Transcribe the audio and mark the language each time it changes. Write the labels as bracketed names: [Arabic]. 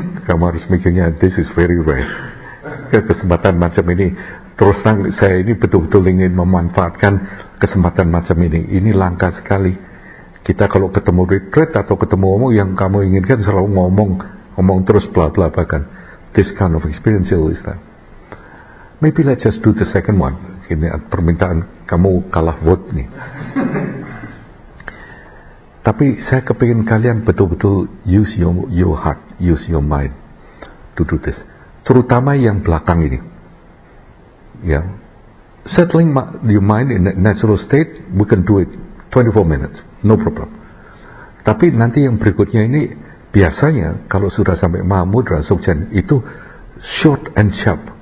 [Indonesian] Kamu harus mikirnya [English] this is very rare. [Indonesian] Kesempatan macam ini terus terang saya ini betul-betul ingin memanfaatkan kesempatan macam ini. Ini langka sekali. Kita kalau ketemu retreat atau ketemu omong yang kamu inginkan selalu ngomong, ngomong terus bla bla bla kan. [English] This kind of experience is that. Maybe let's just do the second one. [Indonesian] Ini permintaan kamu kalah vote nih. Tapi saya kepingin kalian betul-betul [English] use your heart, use your mind to do this. [Indonesian] Terutama yang belakang ini. Ya. Yeah. [English] Settling your mind in a natural state, we can do it 24 minutes. No problem. [Indonesian] Tapi nanti yang berikutnya ini biasanya kalau sudah sampai Mahamudra Sogchen itu [English] short and sharp.